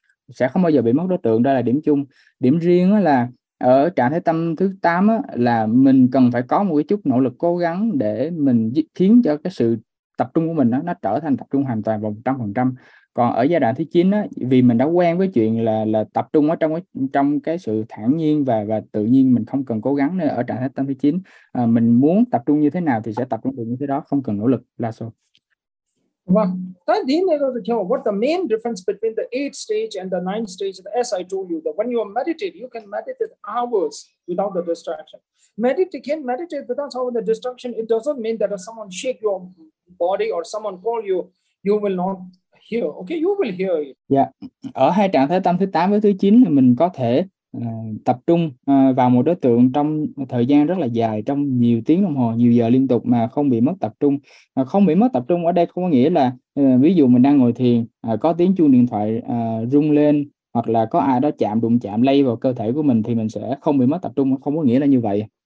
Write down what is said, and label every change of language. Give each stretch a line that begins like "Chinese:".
Vietnamese: Sẽ không bao giờ bị mất đối tượng, đó là điểm chung. Điểm riêng là ở trạng thái tâm thứ 8 là mình cần phải có một cái chút nỗ lực cố gắng để mình khiến cho cái sự tập trung của mình nó trở thành tập trung hoàn toàn vào 100%. Còn ở giai đoạn thứ 9 á, vì mình đã quen với chuyện là tập trung ở trong cái sự thản nhiên và tự nhiên, mình không cần cố gắng nữa. Ở trạng thái tâm thứ 9, mình muốn tập trung như thế nào thì sẽ tập trung được như thế đó, không cần nỗ lực, là sao? Vâng, đến đây tôi theo,
English: what the main difference between the 8th stage and the 9th stage, as I told you, that when you meditate, you can meditate hours without the distraction. Meditate, can meditate without some of the distraction, it doesn't mean that if someone shake your body or someone call you, you will not hear. Okay, you will hear it. Yeah.
Vietnamese: Ở hai trạng thái tâm thứ 8 với thứ 9 thì mình có thể tập trung vào một đối tượng trong thời gian rất là dài, trong nhiều tiếng đồng hồ, nhiều giờ liên tục mà không bị mất tập trung. Không bị mất tập trung ở đây không có nghĩa là ví dụ mình đang ngồi thiền, có tiếng chuông điện thoại rung lên hoặc là có ai đó chạm đụng chạm lây vào cơ thể của mình thì mình sẽ không bị mất tập trung, không có nghĩa là như vậy.